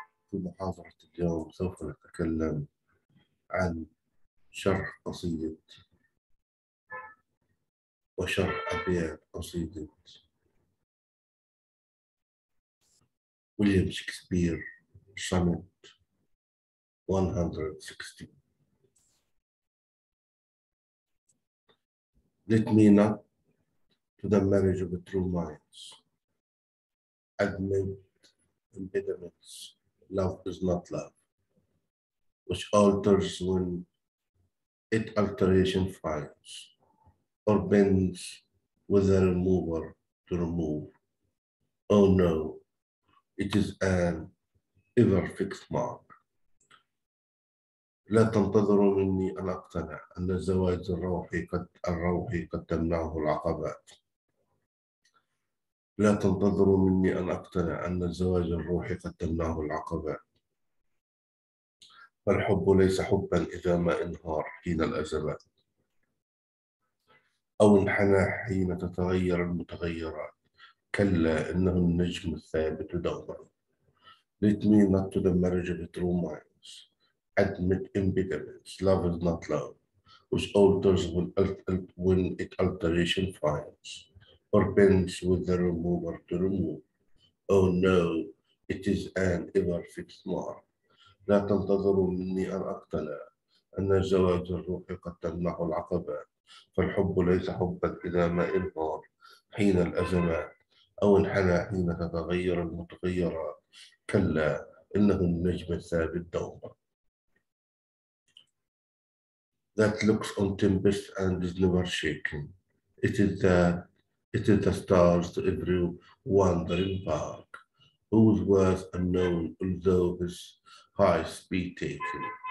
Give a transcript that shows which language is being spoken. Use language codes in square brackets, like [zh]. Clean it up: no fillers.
[ar] في محاضرة اليوم سوف نتكلم عن شرح قصيدة وشرح أبيات قصيدة ويليام شكسبير سونيت 160. [en] Let me not to the marriage of the true minds admit impediments, love is not love, which alters when it alteration finds, or bends with a remover to remove. Oh no, it is an ever fixed mark. [ar] لا تنتظروا مني أن أقتنع أن الزواج الروحي قد تمنعه العقبات. لا تنتظروا مني أن أقتنع أن الزواج الروحي قد تمنعه العقبات. فالحب ليس حبا إذا ما انهار حين الأزمات أو انحنى حين تتغير المتغيرات. كلا، إنه النجم الثابت دوما. [en] Let me not to the marriage of true minds admit impediments. Love is not love, which alters when it alteration finds. Or bends with the remover to remove. Oh no, it is an ever fixed mark. [ar] لا تنتظروا مني أن أقتنع أن الزواج الروحي قد تمنح العقبات. فالحب ليس حبا إذا ما انهار حين الأزمات أو انحنى حين تتغير المتغيرات. كلا، إنه النجم الثابت دوما. [en] That looks on tempest and is never shaken. It is that it is the stars to every wandering bark, whose worth unknown, although his highest be taken.